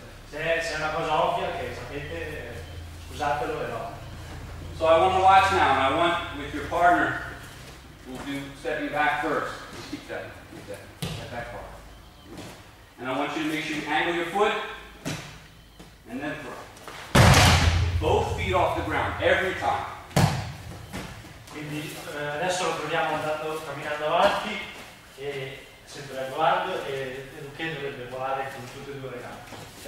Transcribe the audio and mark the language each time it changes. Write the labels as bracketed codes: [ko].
[it] Se è una cosa ovvia che sapete, scusatelo e no. [en] So I want to watch now, and I want with your partner, we'll do stepping back first. Just keep that back part. And I want you to make sure you angle your foot, and then throw. Both feet off the ground, every time. [it] Quindi adesso lo proviamo andando, camminando avanti, e sempre a guardo, e Luque dovrebbe volare con tutte e due le gambe.